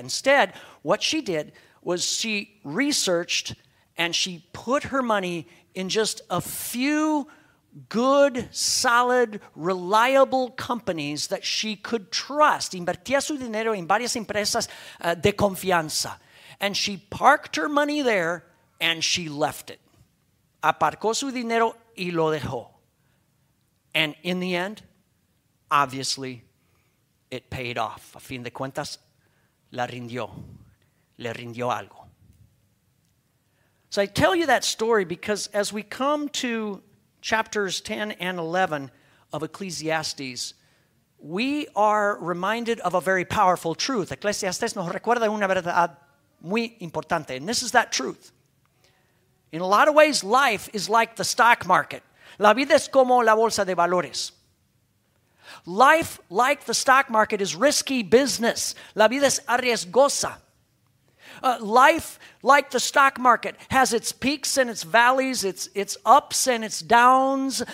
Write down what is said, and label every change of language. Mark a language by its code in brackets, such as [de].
[en] Instead, what she did was she researched and she put her money in just a few good, solid, reliable companies that she could trust. [es] Invertía su dinero en varias empresas de confianza. [en] And she parked her money there and she left it. [es] Aparcó su dinero y lo dejó. [en] And in the end, obviously, it paid off. [es] A fin de cuentas, la rindió. Le rindió algo. [en] So I tell you that story because as we come to chapters 10 and 11 of Ecclesiastes, we are reminded of a very powerful truth. [es] Ecclesiastes nos recuerda una verdad muy importante. [en] And this is that truth. In a lot of ways, life is like the stock market. [es] La vida es como la bolsa de valores. [en] Life, like the stock market, is risky business. [es] La vida es arriesgosa. [en] Life, like the stock market, has its peaks and its valleys, its ups and its downs.